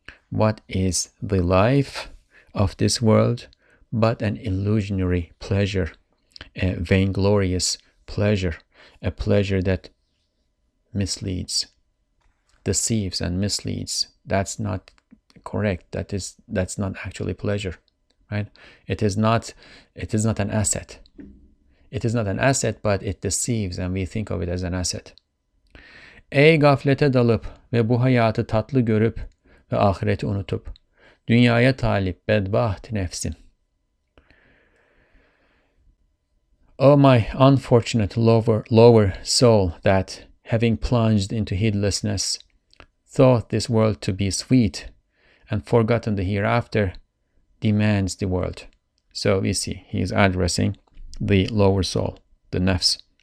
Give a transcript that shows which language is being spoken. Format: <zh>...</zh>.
<en>What is the life of this world but an illusionary pleasure, a vainglorious pleasure, a pleasure that misleads, deceives and misleads? That's not correct. That's not actually pleasure, right? It is not an asset. It is not an asset, but it deceives, and we think of it as an asset.</en> <tr>Ey gaflete dalıp ve bu hayatı tatlı görüp ve ahireti unutup dünyaya talip bedbaht nefsin.</tr> <en>Oh, my unfortunate lower soul, that having plunged into heedlessness, thought this world to be sweet and forgotten the hereafter, demands the world. So we see he is addressing the lower soul, the nafs.</en>